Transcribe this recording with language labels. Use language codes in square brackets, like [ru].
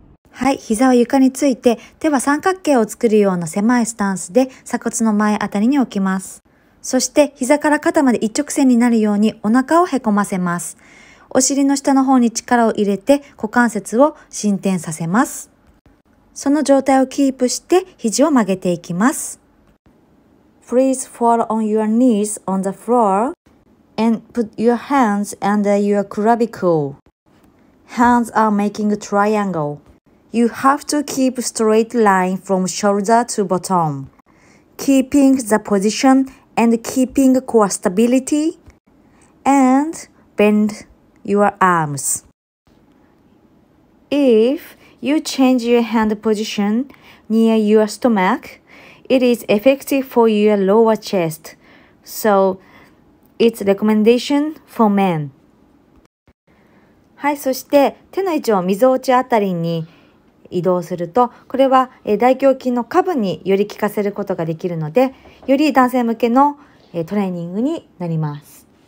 [ja] はい、膝を床について、手は三角形を作るような狭いスタンスで鎖骨の前あたりに置きます。そして膝から肩まで一直線になるようにお腹をへこませます。お尻の下の方に力を入れて股関節を伸展させます。その状態をキープして肘を曲げていきます。 [en] Please fall on your knees on the floor and put your hands under your clavicle. Hands are making a triangle. You have to keep straight line from shoulder to bottom. Keeping the position and keeping core stability and bend your arms. If you change your hand position near your stomach,It is effective for your lower chest, so it's recommendation for men. [ja] はい、そして手の位置をみぞおちあたりに移動すると、これは大胸筋の下部により効かせることができるので、より男性向けのトレーニングになります。